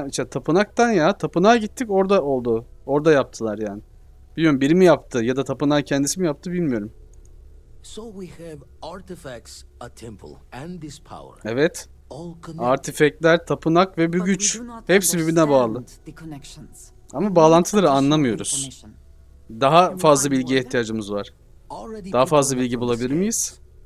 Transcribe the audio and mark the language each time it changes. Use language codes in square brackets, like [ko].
[tr] Tapınaktan ya. Tapınağa gittik, orada oldu. Orada yaptılar yani. Bilmiyorum, biri mi yaptı ya da tapınağı kendisi mi yaptı bilmiyorum. [en] So we have artifacts, a temple and this power. [tr] Evet. Artifekler, tapınak ve bir güç. Hepsi birbirine bağlı. Ama bağlantıları anlamıyoruz. Daha fazla bilgiye ihtiyacımız var. Daha fazla bilgi bulabilir miyiz?